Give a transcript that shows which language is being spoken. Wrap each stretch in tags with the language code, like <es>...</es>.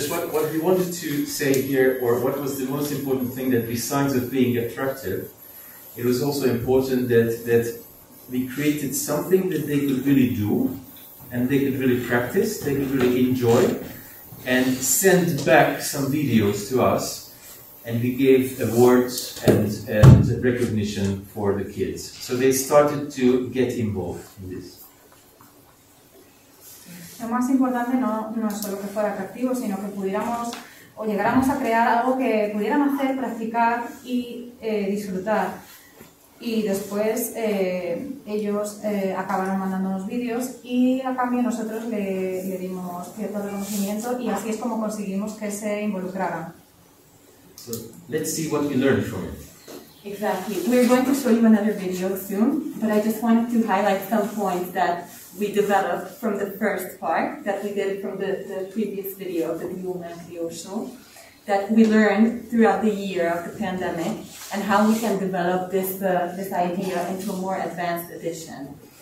<en>What we wanted to say here, or what was the most important thing, that besides of being attractive, it was also important that we created something that they could really do, and they could really practice, they could really enjoy, and send back some videos to us, and we gave awards and recognition for the kids. So they started to get involved in this.</en> <es>Lo más importante no es solo que fuera atractivo, sino que pudiéramos o llegáramos a crear algo que pudieran hacer, practicar y disfrutar. Y después ellos acabaron mandándonos vídeos y a cambio nosotros le dimos cierto reconocimiento y así es como conseguimos que se involucraran.</es> <en>So, let's see what we learned from it. Exactly. We're going to show you another video soon, but I just wanted to highlight some points that we developed from the first part that we did from the previous video of the human video show that we learned throughout the year of the pandemic and how we can develop this idea into a more advanced edition.</en>